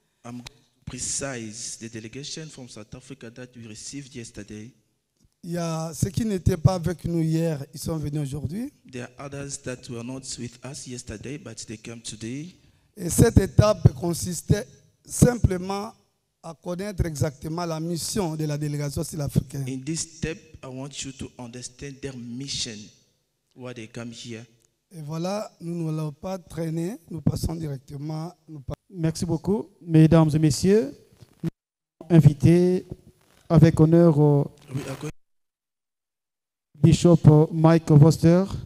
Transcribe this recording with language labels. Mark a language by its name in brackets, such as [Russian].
[English] I'm precise the delegation from South Africa that we received yesterday. [French] Il y a ceux qui n'étaient pas avec nous hier, ils sont venus aujourd'hui. [English] There are others that were not with us yesterday, but they came today. [French] Et cette étape consistait simplement à connaître exactement la mission de la délégation sud-africaine. [English] In this step, I want you to understand their mission, why they come here. [French] Et voilà, nous ne l'avons pas traîné, nous passons directement. Merci beaucoup, mesdames et messieurs. Nous avons invité avec honneur Bishop Mike Worcester.